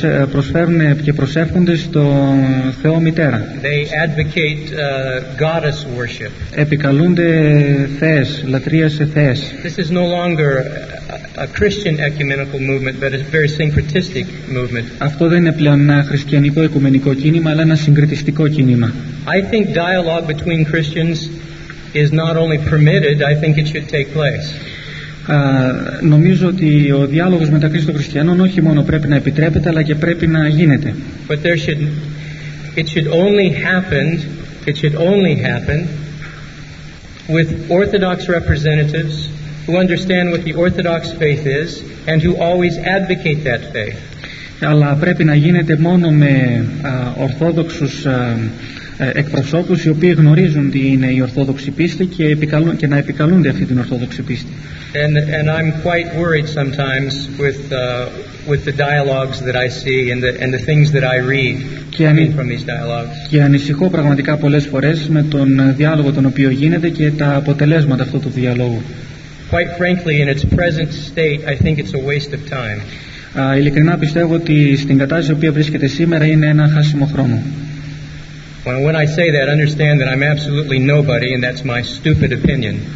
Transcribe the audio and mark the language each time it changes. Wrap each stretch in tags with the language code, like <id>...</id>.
<el>Προσφέρουν και προσεύχονται στο Θεό Μητέρα.</el> <en>They advocate goddess worship.</en> <el>Επικαλούνται θεές, λατρεία σε θεές.</el> <en>This is no longer a Christian ecumenical movement, but a very syncretistic movement.</en> <el>Αυτό δεν είναι πλέον ένα χριστιανικό οικουμενικό κίνημα, αλλά ένα συγκριτιστικό κίνημα.</el> <en>I think dialogue between Christians is not only permitted, I think it should take place.</en> <el>Νομίζω ότι ο διάλογος μεταξύ των χριστιανών όχι μόνο πρέπει να επιτρέπεται, αλλά και πρέπει να γίνεται.</el> <en>But there should, it should only happen with Orthodox representatives who understand what the Orthodox faith is and who always advocate that faith.</en> <el>Αλλά πρέπει να γίνεται μόνο με ορθόδοξους εκπροσώπους οι οποίοι γνωρίζουν τι είναι η ορθόδοξη πίστη και, να επικαλούνται αυτή την ορθόδοξη πίστη.</el> <en>And I'm quite worried sometimes with the dialogues that I see and the things that I read from these dialogues.</en> <el>Και ανησυχώ πραγματικά πολλές φορές με τον διάλογο τον οποίο γίνεται και τα αποτελέσματα αυτού του διαλόγου.</el> <en>Quite frankly, in its present state, I think it's a waste of time.</en> <el>Ειλικρινά πιστεύω ότι στην κατάσταση που βρίσκεται σήμερα είναι ένα χάσιμο χρόνο.</el> <en>When I say that, understand that I'm absolutely nobody and that's my stupid opinion.</en>